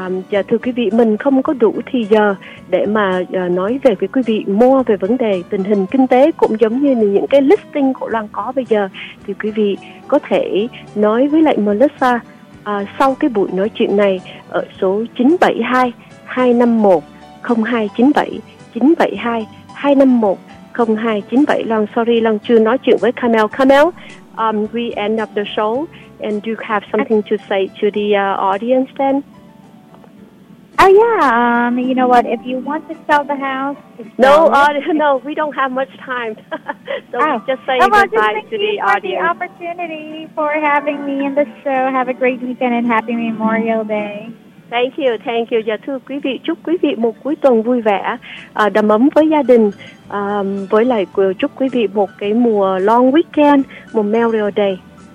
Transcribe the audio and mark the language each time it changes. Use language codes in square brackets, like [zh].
[vi] Và thưa quý vị, mình không có đủ thời giờ để mà nói về với quý vị mua về vấn đề tình hình kinh tế, cũng giống như những cái listing của Loan có bây giờ, thì quý vị có thể nói với lại Melissa sau cái buổi nói chuyện này ở số 972-251-0297 972-251-0297. Loan sorry, Loan chưa nói chuyện với Camel. [en] Camel, we end up the show and do you have something to say to the audience then? Oh yeah, you know what? If you want to sell the house, no, we don't have much time. So just say goodbye to the audience. Thank you for the opportunity for having me in the show. Have a great weekend and happy Memorial Day. Thank you. [vi] Dạ thưa quý vị, chúc quý vị một cuối tuần vui vẻ, đầm ấm với gia đình. Với lại chúc quý vị một cái mùa long weekend, Memorial Day.